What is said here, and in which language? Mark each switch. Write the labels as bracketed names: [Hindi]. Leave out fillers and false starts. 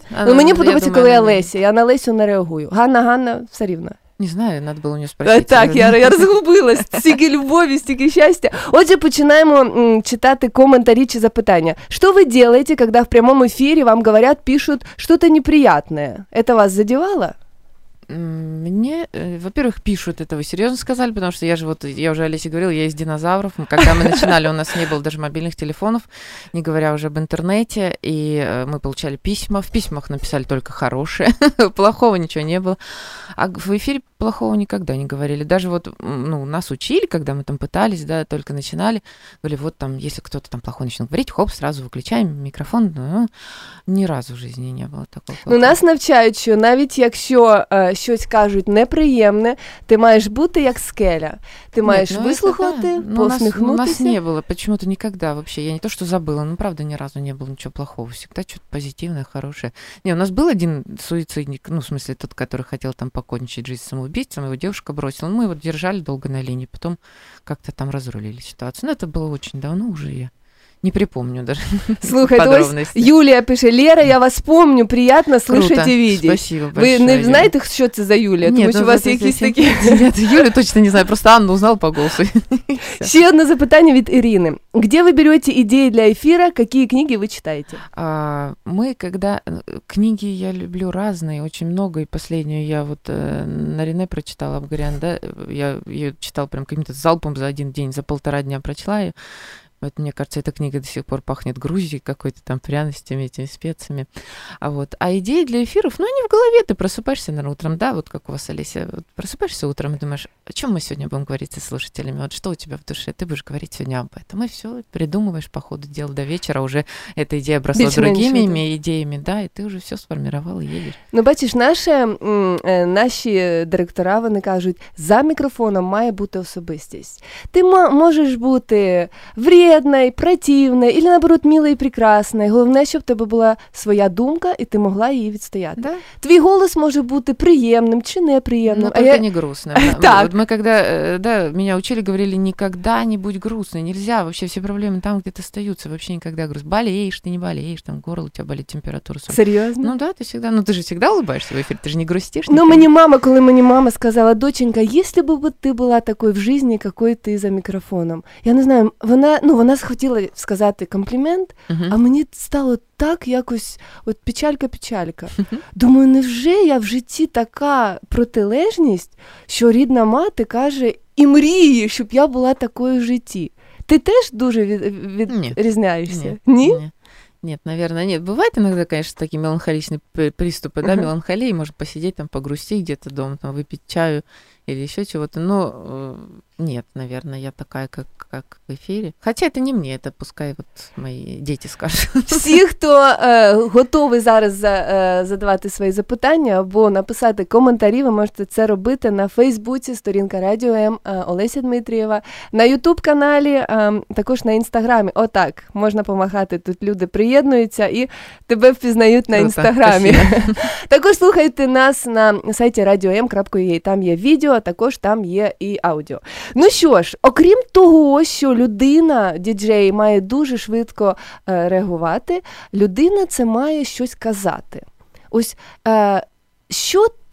[Ukrainian] Мені подобається, коли я Леся, я на Лесю не реагую. Ганна, все рівно. Не знаю, треба було у нього спросити. Так, я розгубилась, стільки любові, стільки щастя. Отже, починаємо читати коментарі чи запитання. Що ви робите, коли в прямому ефірі вам говорять, пишуть щось неприємне? Це вас задівало? [Russian] Мне, во-первых, пишут это, вы серьезно сказали, потому что я уже Олесе говорила, я из динозавров, когда мы начинали, у нас не было даже мобильных телефонов, не говоря уже об интернете, и мы получали письма, в письмах написали только хорошие, плохого ничего не было, а в эфире плохого никогда не говорили, даже вот, ну, нас учили, когда мы там пытались, да, только начинали, говорили, вот там, если кто-то там плохо начнет говорить, хоп, сразу выключаем микрофон, ну, ни разу в жизни не было такого. [Ukrainian] У нас навчают, что навіть якщо щось кажуть неприємне, ти маєш бути як скеля. Ти маєш вислухати, посміхнутися. У нас не було, [Russian] почему-то никогда вообще. Я не то, что забыла, но правда ни разу не было ничего плохого. Всегда что-то позитивное, хорошее. Не, у нас был один суицидник, ну, в смысле, тот, который хотел там покончить жизнь самоубийцем, его девушка бросила. Мы его держали долго на линии, потом как-то там разрулили ситуацию. Но это было очень давно уже, я не припомню даже. [Ukrainian] Слухай, ось Юлія пише: [Russian] Лера, я вас помню, приятно слышать и видеть. Спасибо большое. [Ukrainian] Ви не знаєте, що це за Юлія? Тому що у вас якісь такі... [Russian] Нет, Юлю точно не знаю, просто Анну узнала по голосу. [Ukrainian] Ще одне запитання від Ірини. Где ви берете ідеї для ефіра, які книги ви читаєте? Ми, коли... Книги я люблю різні, дуже багато, і останню я от на Рене прочитала «Абгарян», да? Я її читала прям [Russian] каким-то залпом [Ukrainian] за один день, за полтора дня прочла її. [Russian] Вот, мне кажется, эта книга до сих пор пахнет Грузией какой-то там, пряностями, этими специями. А вот, а идеи для эфиров, ну, они в голове, ты просыпаешься, наверное, утром, да, вот как у вас, Олеся, вот, просыпаешься утром и думаешь, о чем мы сегодня будем говорить со слушателями, вот что у тебя в душе, ты будешь говорить сегодня об этом, и все, придумываешь по ходу дела до вечера, уже эта идея бросла другими идеями, да, и ты уже все сформировал и едешь. Ну, бачиш, наши директора, они говорят, за микрофоном [Ukrainian] має бути особистість. [Russian] Ты можешь бути вредной, противной, или, наоборот, милой и прекрасной. Главное, чтобы у тебя была своя думка, и ты могла ее отстоять. Да? Твой голос может быть приемным, чи неприемным. Но только не грустным. Так. Мы когда, да, меня учили, говорили, никогда не будь грустной, нельзя, вообще все проблемы там где-то остаются, вообще никогда грусть. Болеешь, ты не болеешь, там горло у тебя болит, температура. Серьезно? Ну да, ты всегда, ну ты же всегда улыбаешься в эфире, ты же не грустишь. Но мне мама, когда мне мама сказала, доченька, если бы ты была такой в жизни, какой ты за микрофоном. [Ukrainian] Я не знаю, она, ну, вона схотіла сказати комплімент, а мені стало так якось, от печалька-печалька. Думаю, невже я в житті така протилежність, що рідна мати каже і мріє, щоб я була такою в житті? Ти теж дуже відрізняєшся? [Russian] Ні? Нет, наверное, нет. Бывают иногда, конечно, такие меланхоличные приступы, да, меланхолии, можно посидеть там, погрустить где-то дома, там, выпить чаю или еще чего-то, но нет, наверное, я такая, как в эфире. Хотя это не мне, это пускай вот мои дети скажут. Все, кто готовы зараз задавать свои запитания або написать комментарии, вы можете это делать на Фейсбуке, сторінка Радио М, Олеся Дмитриева, на Ютуб-канале, також на Инстаграме. [Ukrainian] О, так, [Russian] можно помахать, [Ukrainian] тут люди приєднуються і тебе впізнають на інстаграмі. Також слухайте нас на сайті radio.m.ua, там є відео, також там є і аудіо. Ну що ж, окрім того, що людина, діджей, має дуже швидко реагувати, людина це має щось казати. Ось, що,